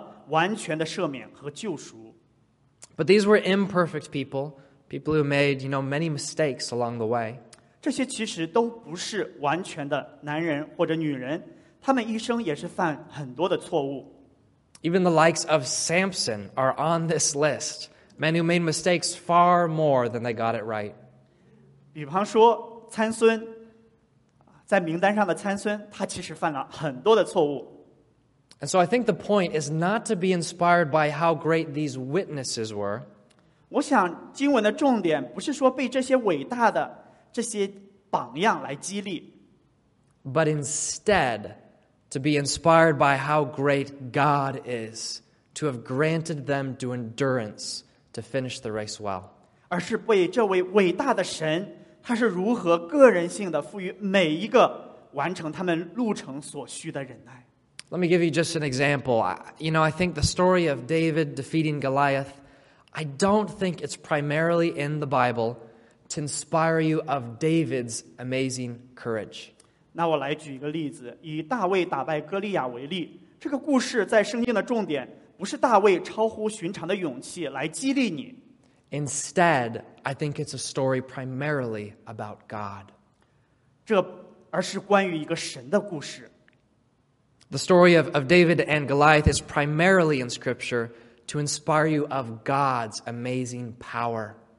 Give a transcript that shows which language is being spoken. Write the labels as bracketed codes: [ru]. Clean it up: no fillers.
[zh] 他借着耶稣基督的生死与复活提供了完全的赦免和救赎。 [en] But these were imperfect people. People who made, you know, many mistakes along the way. [zh] 这些其实都不是完全的男人或者女人，他们一生也是犯很多的错误。 [en] Even the likes of Samson are on this list, men who made mistakes far more than they got it right. [zh] 比方说参孙，在名单上的参孙，他其实犯了很多的错误。 [en] And so I think the point is not to be inspired by how great these witnesses were. [zh] 我想经文的重点不是说被这些伟大的这些榜样来激励, [en] but instead to be inspired by how great God is to have granted them the endurance to finish the race well. [zh] 而是被这位伟大的神, 他是如何个人性的赋予每一个完成他们路程所需的忍耐。 [en] Let me give you just an example. I think the story of David defeating Goliath, I don't think it's primarily in the Bible to inspire you of David's amazing courage. [zh] 那我来举一个例子, 以大卫打败哥利亚为例, 这个故事在圣经的重点, 不是大卫超乎寻常的勇气来激励你。 [en] Instead, I think it's a story primarily about God. [zh] 这而是关于一个神的故事。 [en] The story of David and Goliath is primarily in Scripture to inspire you of God's amazing power.